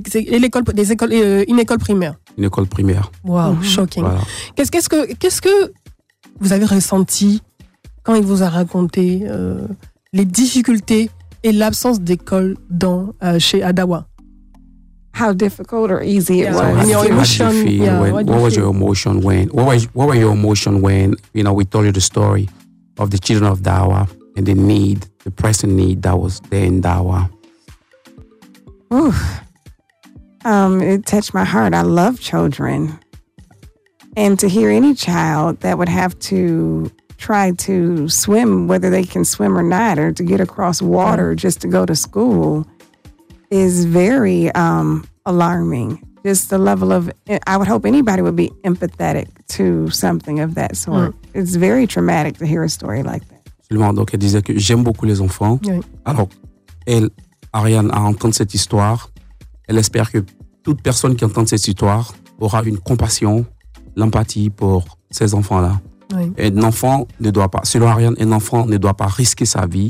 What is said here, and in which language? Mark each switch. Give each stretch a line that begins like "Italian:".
French: C'est une école primaire. Une école primaire.
English: Wow, mm-hmm. Shocking. Voilà.
French: Qu'est-ce que vous avez ressenti quand il vous a raconté les difficultés et l'absence d'école chez Adawa?
English: How difficult or easy it was? What were your emotions when you know, we told you the story of the children of Dawa and the need, the pressing need that was there in Dawa? It touched my heart. I love children. And to hear any child that would have to try to swim, whether they can swim or not, or to get across water just to go to school, is very alarming. Just the level of, I would hope anybody would be empathetic to something of that sort. Mm. It's very traumatic to hear a story like that.
French: Absolument. Donc, elle disait que j'aime beaucoup les enfants. Oui. Alors, elle, Ariane, a entendu cette histoire. Elle espère que toute personne qui entend cette histoire aura une compassion, l'empathie pour ces enfants-là. Oui. Un enfant ne doit pas, selon Ariane, un enfant ne doit pas risquer sa vie.